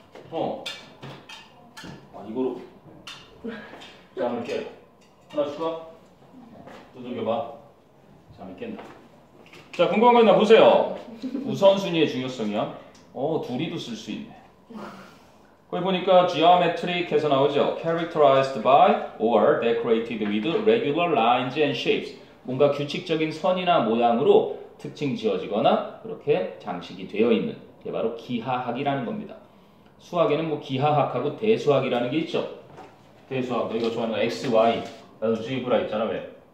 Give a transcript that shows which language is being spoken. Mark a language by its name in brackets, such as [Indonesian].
[Korean] 어 아 이거로 잠을 깨. 하나 추가 두들겨봐. 잠이 깼나. 자, 궁금한 거 있나 보세요. 우선순위의 중요성이야. 어, 둘이도 쓸 수 있네. 거기 보니까 geometric에서 나오죠. [English] characterized by or decorated with regular lines and shapes. [Korean] 뭔가 규칙적인 선이나 모양으로 특징 지어지거나 그렇게 장식이 되어 있는 게 바로 기하학이라는 겁니다. 수학에는 뭐 기하학하고 대수학이라는 게 있죠. 대수학, 너 이거 좋아하는 거 XY. 엘지브라 있잖아, 왜?